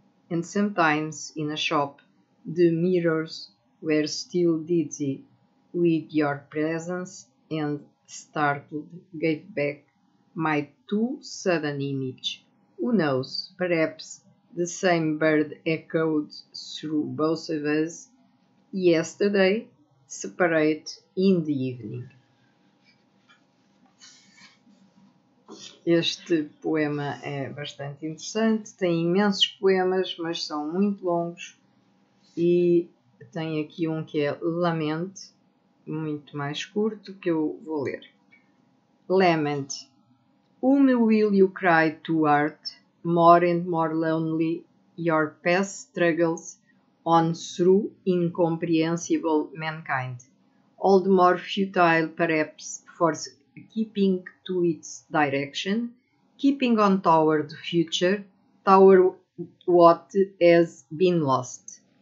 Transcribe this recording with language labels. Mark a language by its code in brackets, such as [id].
[en] And sometimes, in a shop, the mirrors were still dizzy with your presence and startled gave back my too sudden image. Who knows, perhaps the same bird echoed through both of us yesterday, separate in the evening. [pt] Este poema é bastante interessante, tem imensos poemas, mas são muito longos, e tem aqui um que é Lamente, muito mais curto, que eu vou ler. [en] Lament. Whom will you cry to art, more and more lonely, your past struggles on through incomprehensible mankind, all the more futile perhaps for keeping to its direction, keeping on toward the future, toward what has been lost.